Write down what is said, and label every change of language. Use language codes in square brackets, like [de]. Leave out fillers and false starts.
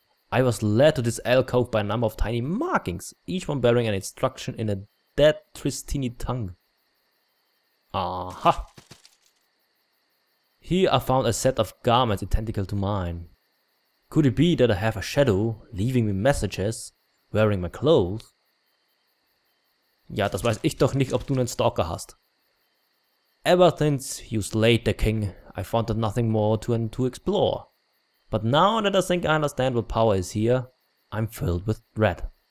[en] I was led to this alcove by a number of tiny markings, each one bearing an instruction in a dead Tristini tongue. Aha! Here I found a set of garments identical to mine. Could it be that I have a shadow leaving me messages wearing my clothes? [de] Ja, das weiß ich doch nicht, ob du einen Stalker hast. [en] Ever since you slayed the king, I found that nothing more to explore. But now that I think I understand what power is here, I'm filled with dread.